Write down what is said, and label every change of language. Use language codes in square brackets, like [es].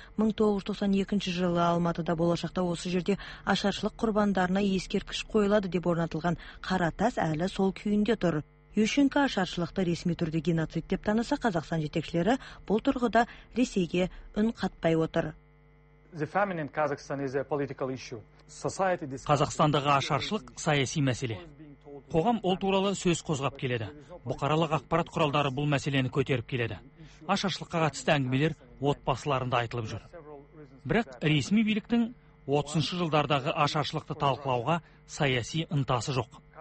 [kk] 1992 жылы Алматыда болашақта осы жерде ашаршылық құрбандарына ескерткіш қойылады деп орнатылған қара тас әлі сол күйінде тұр. Ющенко ашаршылықты ресми түрде геноцид деп таныса, Қазақстан жетекшілері бұл тұрғыда Ресейге үн қатпай отыр. [en] The famine in Kazakhstan is a political issue. [kk] Қазақстандағы ашаршылық саяси мәселе. Қоғам ол туралы сөз қозғап келеді. Бұқаралық ақпарат құралдары бұл мәселені көтеріп келеді. Ашаршылыққа қатысты әңгімелер отбасыларында айтылып жүр. Бірақ ресми биліктің 30-шы жылдардағы ашаршылықты талқылауға саяси ынтасы жоқ.